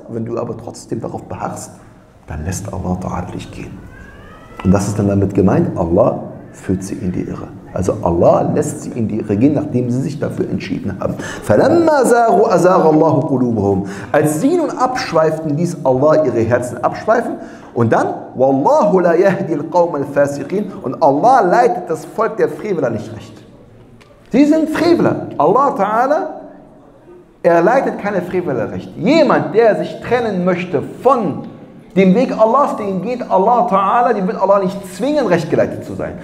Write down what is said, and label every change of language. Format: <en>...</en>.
<de>Wenn du aber trotzdem darauf beharrst, dann lässt Allah Ta'ala dich gehen. Und das ist dann damit gemeint, Allah führt sie in die Irre. Also Allah lässt sie in die Irre gehen, nachdem sie sich dafür entschieden haben.</de> <ar>فَلَمَّا زَاغُوا أَزَاغَ اللَّهُ قُلُوبُهُمْ.</ar> <de>Als sie nun abschweiften, ließ Allah ihre Herzen abschweifen. Und dann,</de> <ar>وَاللَّهُ لَا يَهْدِي الْقَوْمَ الْفَاسِقِينَ.</ar> <de>Und Allah leitet das Volk der Freveler nicht recht. Sie sind Freveler. Allah Ta'ala, er leitet keine Freveler recht. Jemand, der sich trennen möchte von dem Weg Allahs, den geht Allah Ta'ala, den wird Allah nicht zwingen, rechtgeleitet zu sein.</de>